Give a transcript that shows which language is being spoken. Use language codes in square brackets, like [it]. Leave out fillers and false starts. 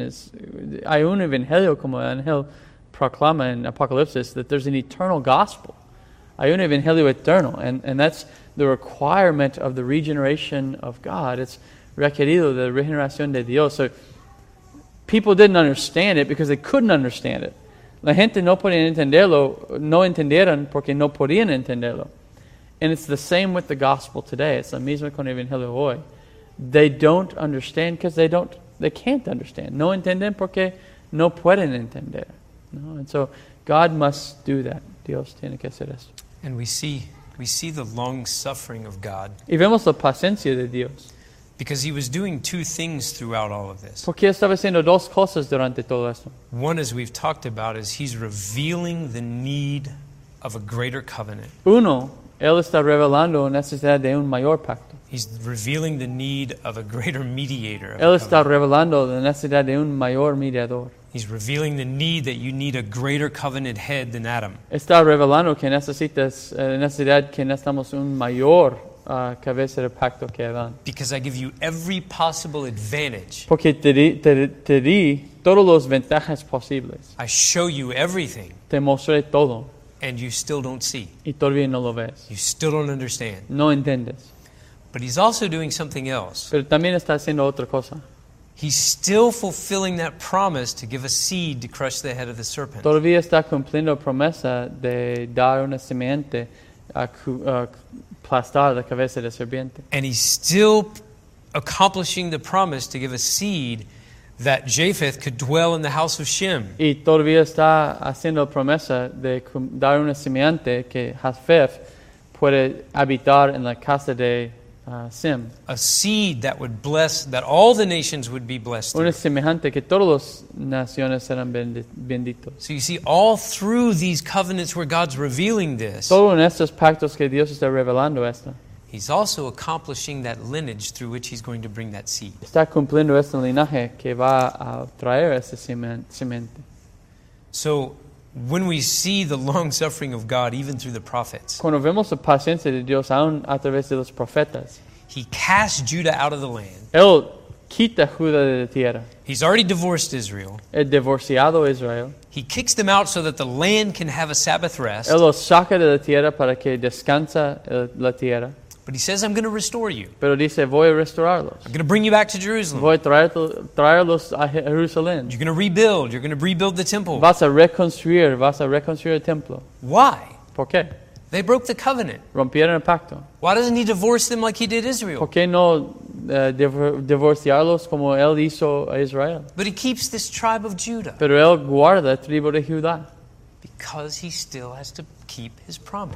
[es] It's hay un evangelio como el ángel proclama in Apocalipsis, [en] that there's an eternal gospel. [es] Hay un evangelio eterno, [en] and that's the requirement of the regeneration of God. It's [es] requerido de regeneración de Dios. [en] So people didn't understand it because they couldn't understand it. [es] La gente no podían entenderlo, no entendieron porque no podían entenderlo. [en] And it's the same with the gospel today. It's [es] la misma con el evangelio hoy. [en] They don't understand because they can't understand. [es] No entienden porque no pueden entender. No? [en] And so God must do that. [es] Dios tiene que hacer esto. [en] And we see the long suffering of God. [es] Y vemos la paciencia de Dios. [en] Because he was doing two things throughout all of this. [es] Porque estaba haciendo dos cosas durante todo esto. [en] One, as we've talked about, is he's revealing the need of a greater covenant. [es] Uno, él está revelando la necesidad de un mayor pacto. [en] He's revealing the need of a greater mediator. [es] Él está revelando la necesidad de un mayor mediador. [en] He's revealing the need that you need a greater covenant head than Adam. [es] Está revelando que necesitas la necesidad que necesitamos un mayor cabeza de pacto que Adán. [en] Because I give you every possible advantage. [es] Porque te di todos los ventajas posibles. [en] I show you everything. [es] Te mostré todo. [en] And you still don't see. [es] Y todavía no lo ves. [en] You still don't understand. [es] No entiendes. [en] But he's also doing something else. [es] Pero también está haciendo otra cosa. [en] He's still fulfilling that promise to give a seed to crush the head of the serpent. [es] Todavía está cumpliendo la promesa de dar una semente a aplastar la cabeza de la serpiente. [en] And he's still accomplishing the promise to give a seed that Japheth could dwell in the house of Shem. [es] Y todavía está haciendo la promesa de dar una semente que Japheth puede habitar en la casa de Shem. [en] A seed that would bless, that all the nations would be blessed. [es] Una semejante que todas las naciones serán benditos. [en] So you see, all through these covenants where God's revealing this, [es] todo en estos pactos que Dios está revelando esto, [en] he's also accomplishing that lineage through which he's going to bring that seed. [es] Está cumpliendo ese linaje que va a traer ese semente. [en] So, when we see the long suffering of God, even through the prophets, [es] cuando vemos la paciencia de Dios aún a través de los profetas, [en] he cast Judah out of the land. [es] Él quita a Judá de la tierra. [en] He's already divorced Israel. [es] He divorciado Israel. [en] He kicks them out so that the land can have a Sabbath rest. [es] Él los saca de la tierra para que descansa la tierra. [en] But he says, I'm going to restore you. [es] Pero dice, voy a restaurarlos. [en] I'm going to bring you back to Jerusalem. [es] Voy a traerlos a Jerusalén. [en] You're going to rebuild. You're going to rebuild the temple. [es] Vas a reconstruir el templo. [en] Why? [es] ¿Por qué? [en] They broke the covenant. [es] Rompieron el pacto. [en] Why doesn't he divorce them like he did Israel? [es] ¿Por qué no divorciarlos como él hizo a Israel? [en] But he keeps this tribe of Judah. [es] Pero él guarda la tribu de Judá. [en] Because he still has to keep his promise.